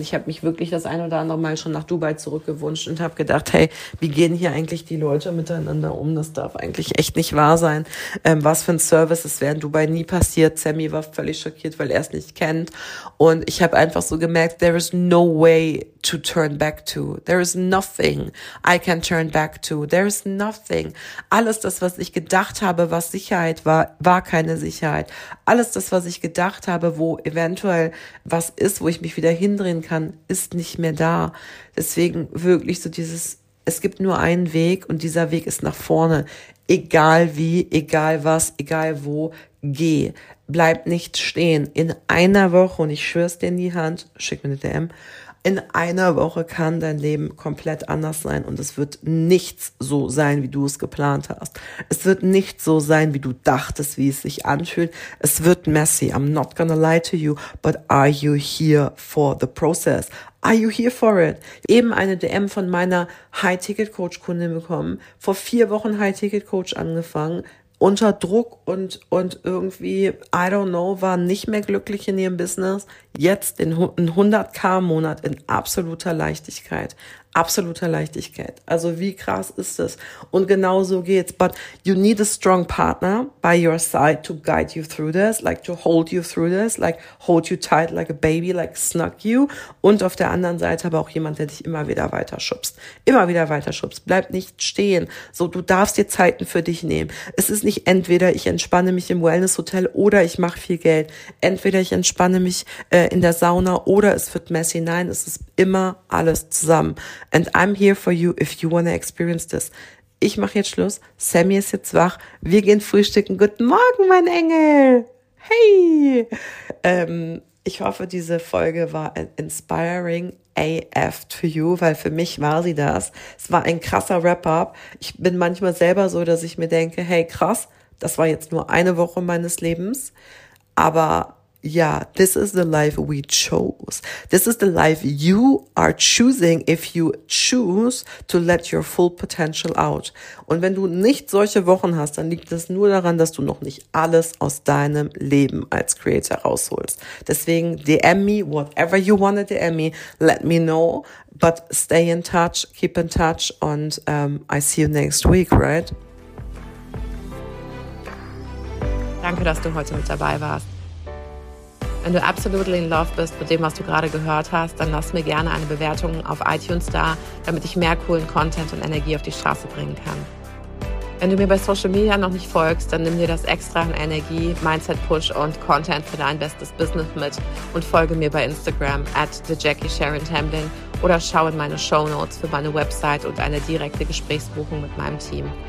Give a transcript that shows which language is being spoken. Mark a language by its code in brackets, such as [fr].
[de] Ich habe mich wirklich das ein oder andere Mal schon nach Dubai zurückgewünscht und habe gedacht, hey, wie gehen hier eigentlich die Leute miteinander um? Das darf eigentlich echt nicht wahr sein. Was für ein Service, das wäre in Dubai nie passiert. Sammy war völlig schockiert, weil er es nicht kennt. Und ich habe einfach so gemerkt, [en] there is no way to turn back to. There is nothing I can turn back to. There is nothing. [de] Alles das, was ich gedacht habe, was Sicherheit war, war keine Sicherheit. Alles das, was ich gedacht habe, wo eventuell was ist, wo ich mich wieder hindrehen kann, ist nicht mehr da. Deswegen wirklich so dieses, es gibt nur einen Weg und dieser Weg ist nach vorne. Egal wie, egal was, egal wo, geh. Bleib nicht stehen. In einer Woche, und ich schwör's dir in die Hand, schick mir eine DM, in einer Woche kann dein Leben komplett anders sein und es wird nichts so sein, wie du es geplant hast. Es wird nicht so sein, wie du dachtest, wie es sich anfühlt. Es wird messy. [en] I'm not gonna lie to you, but are you here for the process? Are you here for it? [de] Eben eine DM von meiner High-Ticket-Coach-Kundin bekommen. Vor 4 Wochen High-Ticket-Coach angefangen. Unter Druck und irgendwie, [en] I don't know, [de] war nicht mehr glücklich in ihrem Business. Jetzt in 100k im Monat in absoluter Leichtigkeit. Absoluter Leichtigkeit. Also wie krass ist das? Und genau so geht's. [en] But you need a strong partner by your side to guide you through this, like to hold you through this, like hold you tight like a baby, like snug you. [de] Und auf der anderen Seite aber auch jemand, der dich immer wieder weiterschubst. Immer wieder weiterschubst. Bleib nicht stehen. So, du darfst dir Zeiten für dich nehmen. Es ist nicht entweder ich entspanne mich im Wellness-Hotel oder ich mache viel Geld. Entweder ich entspanne mich in der Sauna oder es wird messy. Nein, es ist immer alles zusammen. [en] And I'm here for you if you wanna experience this. [de] Ich mache jetzt Schluss. Sammy ist jetzt wach. Wir gehen frühstücken. Guten Morgen, mein Engel. Hey. Ich hoffe, diese Folge war [en] inspiring AF to you, [de] weil für mich war sie das. Es war ein krasser Wrap-up. Ich bin manchmal selber so, dass ich mir denke, hey, krass, das war jetzt nur eine Woche meines Lebens. [en] Aber ja, this is the life we chose. This is the life you are choosing if you choose to let your full potential out. [de] Und wenn du nicht solche Wochen hast, dann liegt es nur daran, dass du noch nicht alles aus deinem Leben als Creator rausholst. [en] Deswegen DM me, whatever you want to DM me, let me know. But stay in touch, keep in touch and I see you next week, right? [de] Danke, dass du heute mit dabei warst. Wenn du [en] absolutely in love [de] bist mit dem, was du gerade gehört hast, dann lass mir gerne eine Bewertung auf iTunes da, damit ich mehr coolen Content und Energie auf die Straße bringen kann. Wenn du mir bei Social Media noch nicht folgst, dann nimm dir das extra an Energie, Mindset-Push und Content für dein bestes Business mit und folge mir bei Instagram @thejackiesharontemlin oder schau in meine Shownotes für meine Website und eine direkte Gesprächsbuchung mit meinem Team.